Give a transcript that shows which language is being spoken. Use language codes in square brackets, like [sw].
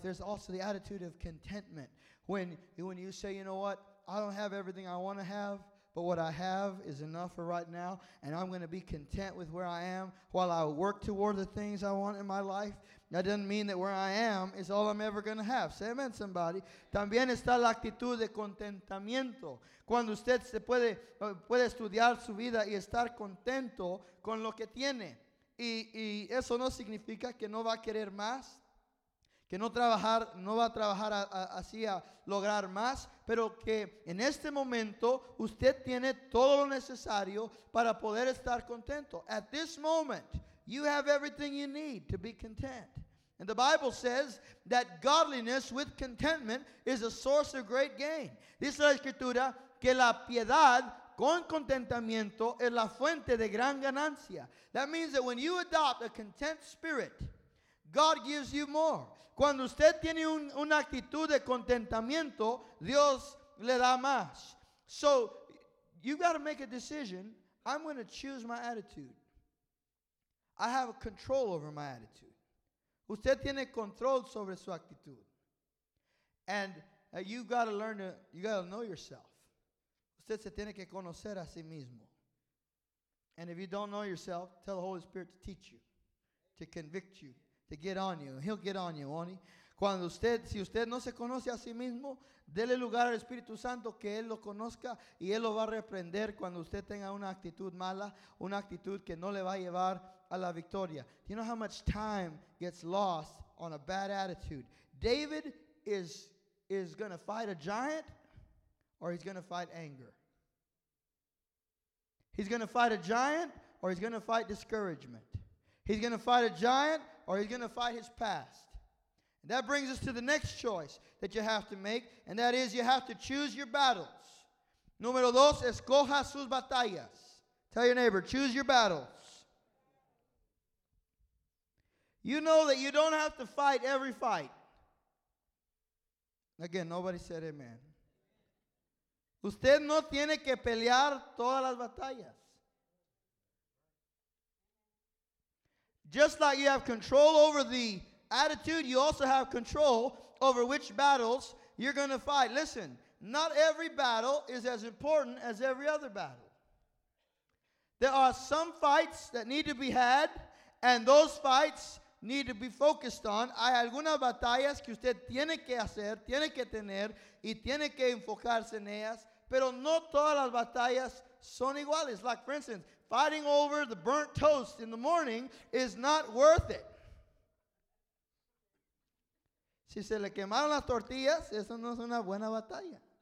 [en] There's also the attitude of contentment. When you say, you know what? I don't have everything I want to have, But what I have is enough for right now, and I'm going to be content with where I am while I work toward the things I want in my life. That doesn't mean that where I am is all I'm ever going to have. Say amen, somebody. [es] También está la actitud de contentamiento. Cuando usted se puede estudiar su vida y estar contento con lo que tiene. Y eso no significa que no va a querer más. Que no va a trabajar así a lograr más, pero que en este momento usted tiene todo lo necesario para poder estar contento. [en] At this moment, you have everything you need to be content. And the Bible says that godliness with contentment is a source of great gain. [es] Dice la Escritura que la piedad con contentamiento es la fuente de gran ganancia. [en] That means that when you adopt a content spirit, God gives you more. [es] Cuando usted tiene una actitud de contentamiento, Dios le da más. [en] So, you've got to make a decision. I'm going to choose my attitude. I have control over my attitude. [es] Usted tiene control sobre su actitud. [en] And you've got to know yourself. [es] Usted se tiene que conocer a sí mismo. [en] And if you don't know yourself, tell the Holy Spirit to teach you, to convict you. To get on you. He'll get on you, won't he? [es] Cuando usted, si usted no se conoce a sí mismo, dele lugar al Espíritu Santo que Él lo conozca y Él lo va a reprender cuando usted tenga una actitud mala, una actitud que no le va a llevar a la victoria. [en] Do you know how much time gets lost on a bad attitude? David is going to fight a giant or he's going to fight anger. He's going to fight a giant or he's going to fight discouragement. He's going to fight a giant or he's going to fight his past. And that brings us to the next choice that you have to make, and that is you have to choose your battles. [es] Número dos, escoja sus batallas. [en] Tell your neighbor, choose your battles. You know that you don't have to fight every fight. Again, nobody said amen. [es] Usted no tiene que pelear todas las batallas. [en] Just like you have control over the attitude, you also have control over which battles you're going to fight. Listen, not every battle is as important as every other battle. There are some fights that need to be had, and those fights need to be focused on. [es] Hay algunas batallas que usted tiene que hacer, tiene que tener, y tiene que enfocarse en ellas, pero no todas las batallas son iguales. [en] Like, for instance, fighting over the burnt toast in the morning is not worth it. [es] Si se le quemaron las tortillas, eso no es una buena batalla.